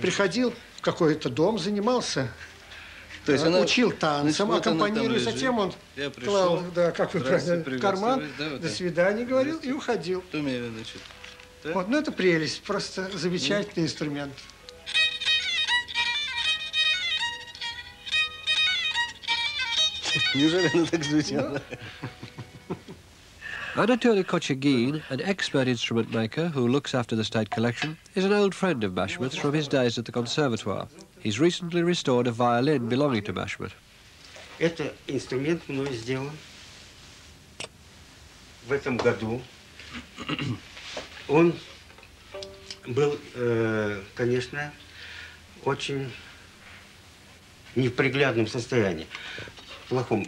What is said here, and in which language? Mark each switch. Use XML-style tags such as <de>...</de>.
<ru>Приходил в какой-то дом, занимался, то есть она, учил танцам, аккомпанирует, затем он клал, да, как вы правильно, карман, да, вот до свидания, говорил, и уходил. Что у меня это значит? Да? Вот, ну, это прелесть, просто замечательный инструмент. Неужели она так звучала?</ru> <en>Anatoly Kochagin, an expert instrument maker who looks after the state collection, is an old friend of Mashmit's from his days at the conservatoire. He's recently restored a violin belonging to Mashmit.</en> <ru>Это инструмент мной сделан в этом году. Он был, конечно, очень не в приглядном состоянии. В плохом.</ru>